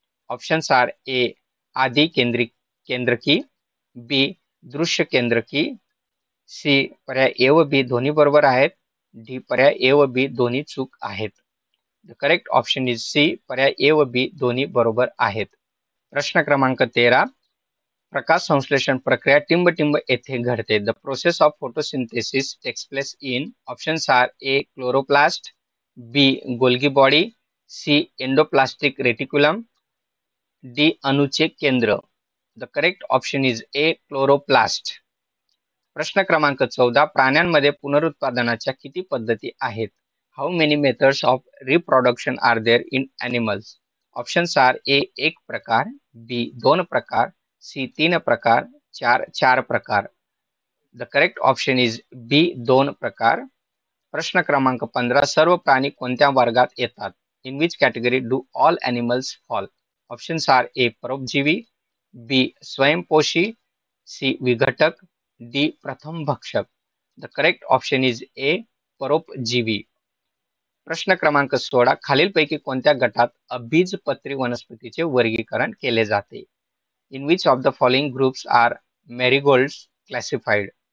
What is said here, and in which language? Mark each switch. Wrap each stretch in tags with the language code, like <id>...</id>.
<en>options are</en> <mr>A आदि केंद्रकी, बी दृश्य केंद्रकी, C पर्याय ए व बी दोन्ही बरोबर आहेत, डी पर्याय ए व बी दोन्ही चूक आहेत.</mr> <en>the correct option is C</en> <mr>पर्याय ए व बी दोन्ही बरोबर आहेत. प्रश्न क्रमांक 13, प्रकाश संश्लेषण प्रक्रिया टिंबटिंब येथे घडते.</mr> <en>The process of photosynthesis takes place in. Options are A chloroplast, B Golgi body, C endoplastic reticulum, D अणूचे केंद्र. The correct option is A chloroplast.</en> <mr>प्रश्न क्रमांक 14, प्राण्यांमध्ये पुनरुत्पादनाच्या किती पद्धती आहेत.</mr> <en>How many methods of reproduction are there in animals. Options are</en> <mr>A एक प्रकार, बी दोन प्रकार, सी तीन प्रकार, चार प्रकार.</mr> <en>the correct option is B,</en> <mr>दोन प्रकार. प्रश्न क्रमांक 15, सर्व प्राणी कोणत्या वर्गात येतात?</mr> <en>In which category do all animals fall? Options are A परोपजीवी, B स्वयंपोषी, C विघटक, D प्रथम भक्षक. The correct option is A परोपजीवी.</en> <mr>प्रश्न क्रमांक 16, खालील पैकी कोणत्या गटात अभिजपत्री वनस्पतीचे वर्गीकरण केले जाते?</mr> <en>In which of the following groups are marigolds classified?</en>